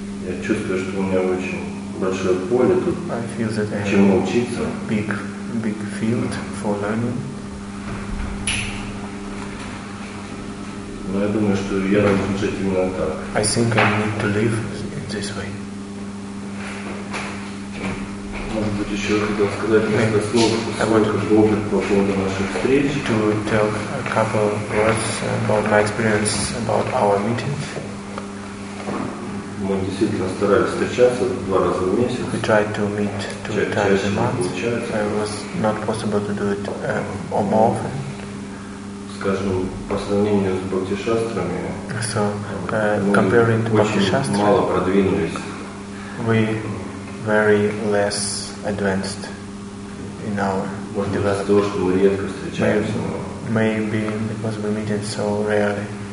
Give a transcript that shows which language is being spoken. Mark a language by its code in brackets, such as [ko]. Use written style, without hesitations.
[ru] Я чувствую, что у меня очень большое поле тут, чему учиться. [en] Big field for learning. [ru] Но я думаю, что я должен жить именно так. [en] I think I need to live this way. [ru] Может быть, еще хотел сказать несколько слов по поводу наших встреч. [en] To tell a couple words about my experience about our meetings. [ru] Мы действительно старались встречаться два раза в месяц. [en] We tried to meet two times a month. It was not possible to do it more often. [ru] Скажем, по сравнению с Бхактишастрами, [en] so, comparing to Бхактишастры, [ru] мы мало продвинулись. [en] We very less advanced in our [ru] может [en] development. [ru] Того, что мы редко встречаемся, [en] maybe because we meet it so rarely.